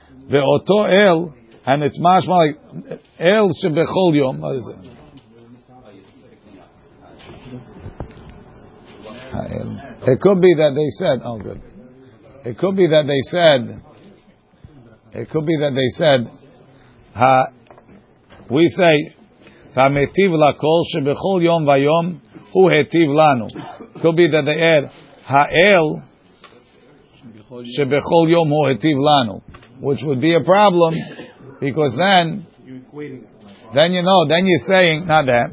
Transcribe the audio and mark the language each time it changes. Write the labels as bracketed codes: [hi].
[en] Ve'oto el, and it's mashma like el shebechol yom. What is it? It could be that they said, oh good. It could be that they said, we say, [he] והמטיב לכל שבכל יום ויום הוא הטיב לנו. [en] Could be that they add, [he] האל שבכל יום הוא הטיב לנו. [en] Which would be a problem, because then, then you're saying, not that.